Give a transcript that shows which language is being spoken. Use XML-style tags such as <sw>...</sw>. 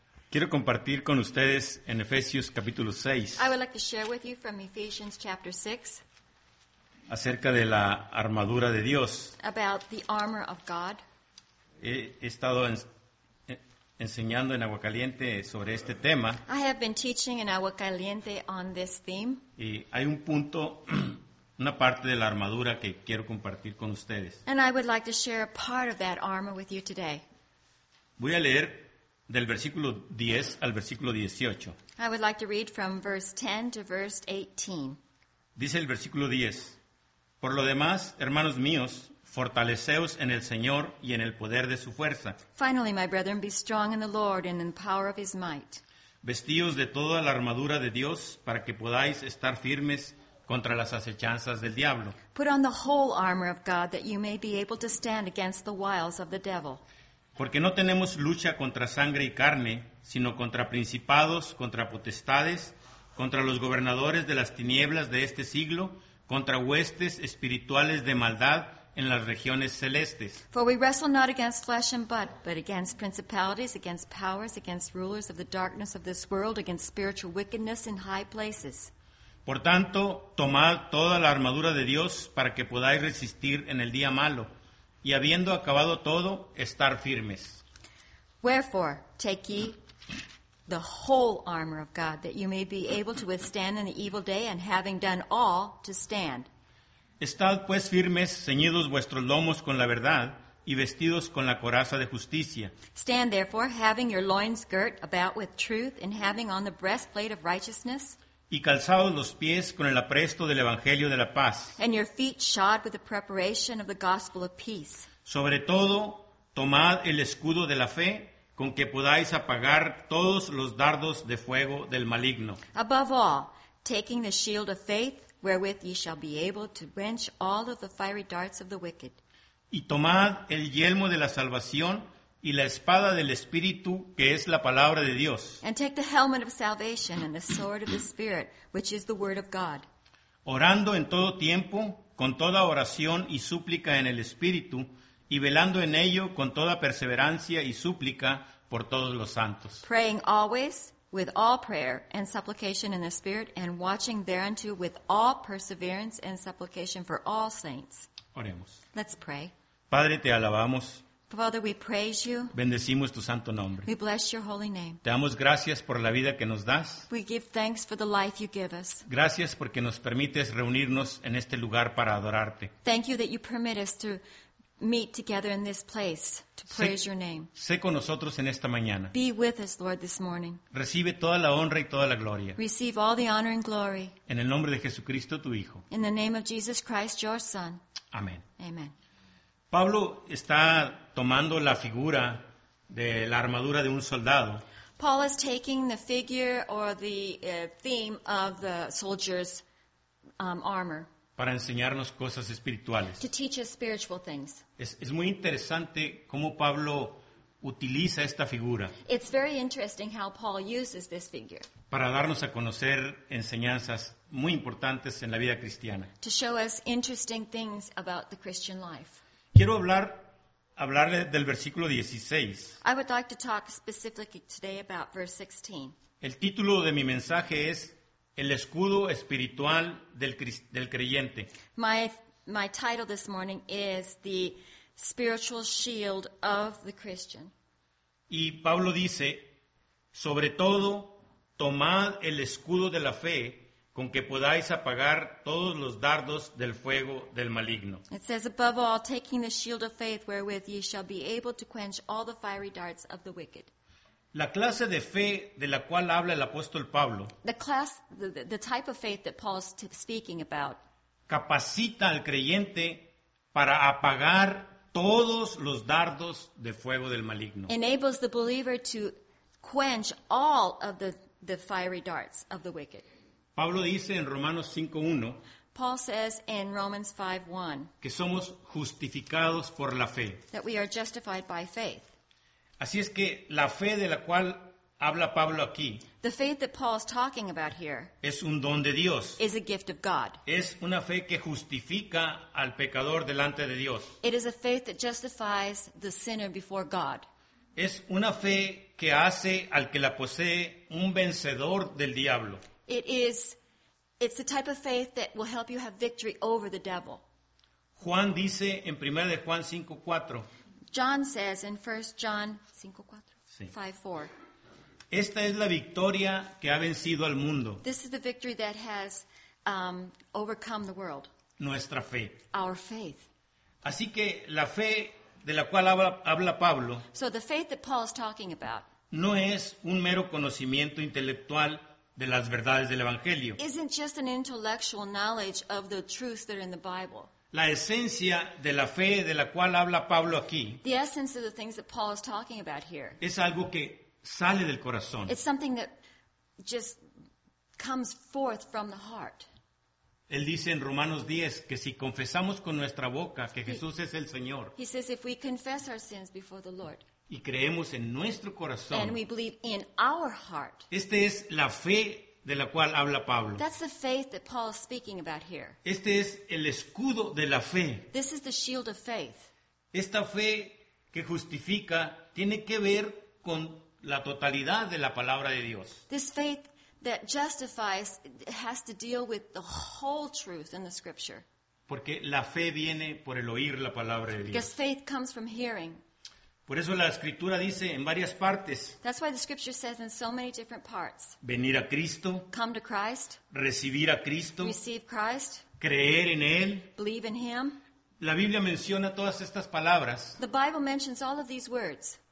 <es>Quiero compartir con ustedes en Efesios capítulo 6.</es> <en>I would like to share with you from Ephesians chapter 6.</en> <es>Acerca de la armadura de Dios.</es> <en>About the armor of God.</en> <es>He estado enseñando en Aguacaliente sobre este tema.</es> <en>I have been teaching in Aguacaliente on this theme.</en> <es>Y hay un punto, una parte de la armadura que quiero compartir con ustedes.</es> <en>And I would like to share a part of that armor with you today.</en> <es>Voy a leer del versículo 10 al versículo 18.</es> <en>I would like to read from verse 10 to verse 18.</en> <es>Dice el versículo 10. Por lo demás, hermanos míos, fortaleceos en el Señor y en el poder de su fuerza.</es> <en>Finally, my brethren, be strong in the Lord and in the power of his might.</en> <es>Vestíos de toda la armadura de Dios para que podáis estar firmes contra las acechanzas del diablo.</es> <en>Put on the whole armor of God that you may be able to stand against the wiles of the devil.</en> <es>Porque no tenemos lucha contra sangre y carne, sino contra principados, contra potestades, contra los gobernadores de las tinieblas de este siglo, contra huestes espirituales de maldad en las regiones celestes.</es> <en>For we wrestle not against flesh and blood, but against principalities, against powers, against rulers of the darkness of this world, against spiritual wickedness in high places.</en> <es>Por tanto, tomad toda la armadura de Dios para que podáis resistir en el día malo, y habiendo acabado todo, estar firmes.</es> <en>Wherefore, take ye the whole armor of God, that you may be able to withstand in the evil day, and having done all, to stand.</en> <es>Estad pues firmes, ceñidos vuestros lomos con la verdad, y vestidos con la coraza de justicia.</es> <en>Stand therefore, having your loins girt about with truth, and having on the breastplate of righteousness.</en> <es>Y calzados los pies con el apresto del Evangelio de la Paz.</es> <en>And your feet shod with the preparation of the gospel of peace.</en> <es>Sobre todo, tomad el escudo de la fe, con que podáis apagar todos los dardos de fuego del maligno.</es> <en>Above all, taking the shield of faith, wherewith ye shall be able to quench all of the fiery darts of the wicked.</en> <es>Y tomad el yelmo de la salvación, y la espada del Espíritu, que es la palabra de Dios.</es> <en>And take the helmet of salvation and the sword of the Spirit, which is the word of God.</en> <es>Orando en todo tiempo, con toda oración y súplica en el Espíritu, y velando en ello con toda perseverancia y súplica por todos los santos.</es> <en>Praying always with all prayer and supplication in the Spirit, and watching thereunto with all perseverance and supplication for all saints.</en> <es>Oremos.</es> <en>Let's pray.</en> <es>Padre, te alabamos.</es> <en>Father, we praise you.</en> <es>Bendecimos tu santo nombre.</es> <en>We bless your holy name.</en> <es>Te damos gracias por la vida que nos das.</es> <en>We give thanks for the life you give us.</en> <es>Gracias porque nos permites reunirnos en este lugar para adorarte.</es> <en>Thank you that you permit us to meet together in this place to praise your name.</en> <es>Sé con nosotros en esta mañana.</es> <en>Be with us, Lord, this morning.</en> <es>Recibe toda la honra y toda la gloria.</es> <en>Receive all the honor and glory.</en> <es>En el nombre de Jesucristo, tu Hijo.</es> <en>In the name of Jesus Christ, your Son.</en> <es>Amén.</es> <en>Amen.</en> <es>Pablo está tomando la figura de la armadura de un soldado.</es> <en>Paul is taking the figure or the theme of the soldier's armor.</en> <es>Para enseñarnos cosas espirituales.</es> <en>To teach us spiritual things.</en> <es>Es muy interesante cómo Pablo utiliza esta figura.</es> <en>It's very interesting how Paul uses this figure.</en> <es>Para darnos a conocer enseñanzas muy importantes en la vida cristiana.</es> <en>To show us interesting things about the Christian life.</en> <es>Quiero hablarle del versículo 16.</es> <en>I would like to talk specifically today about verse 16.</en> <es>El título de mi mensaje es El escudo espiritual del creyente.</es> <en>My title this morning is The Spiritual Shield of the Christian.</en> <es>Y Pablo dice, sobre todo, tomad el escudo de la fe con que podáis apagar todos los dardos del fuego del maligno.</es> <en>It says, above all, taking the shield of faith wherewith ye shall be able to quench all the fiery darts of the wicked.</en> <es>La clase de fe de la cual habla el apóstol Pablo.</es> <en>The type of faith that Paul's speaking about.</en> <es>Capacita al creyente para apagar todos los dardos de fuego del maligno.</es> <en>Enables the believer to quench all of the fiery darts of the wicked.</en> <es>Pablo dice en Romanos 5:1.</es> <en>Paul says in Romans 5:1.</en> <es>Que somos justificados por la fe.</es> <en>That we are justified by faith.</en> <es>Así es que la fe de la cual habla Pablo aquí.</es> <en>The faith that Paul is talking about here.</en> <es>Es un don de Dios.</es> <en>Is a gift of God.</en> <es>Es una fe que justifica al pecador delante de Dios.</es> <en>It is a faith that justifies the sinner before God.</en> <es>Es una fe que hace al que la posee un vencedor del diablo.</es> <en>It's the type of faith that will help you have victory over the devil.</en> <es>Juan dice en Primera de Juan 5:4.</es> <en>John says in 1 John 5:4.</en> <es>Esta es la victoria que ha vencido al mundo.</es> <en>This is the victory that has overcome the world.</en> <es>Nuestra fe.</es> <en>Our faith.</en> <es>Así que la fe de la cual habla Pablo.</es> <en>So the faith that Paul is talking about.</en> <es>No es un mero conocimiento intelectual de las verdades del evangelio.</es> <en>Isn't just an intellectual knowledge of the truths that are in the Bible.</en> <es>La esencia de la fe de la cual habla Pablo aquí.</es> <en>The essence of the things that Paul is talking about here.</en> <es>Es algo que sale del corazón.</es> <en>It's something that just comes forth from the heart.</en> <es>Él dice en Romanos 10 que si confesamos con nuestra boca que Jesús es el Señor.</es> <en>He says if we confess our sins before the Lord.</en> <es>Y creemos en nuestro corazón.</es> <en>And we believe in our heart.</en> <es>Esta es la fe de la cual habla Pablo.</es> <en>That's the faith that Paul is speaking about here.</en> <es>Este es el escudo de la fe.</es> <en>This is the shield of faith.</en> <es>Esta fe que justifica tiene que ver con la totalidad de la palabra de Dios.</es> <en>This faith that justifies has to deal with the whole truth in the scripture.</en> <es>Porque la fe viene por el oír la palabra de Dios.</es> <en>Because faith comes from hearing.</en> <es>Por eso la escritura dice en varias partes.</es> <en>That's why the scripture says in so many different parts.</en> <es>Venir a Cristo.</es> <en>Come to Christ.</en> <es>Recibir a Cristo.</es> <en>Receive Christ.</en> <es>Creer en él.</es> <en>Believe in him.</en> <es>La Biblia menciona todas estas palabras.</es> <en>The Bible mentions all of these words.</en>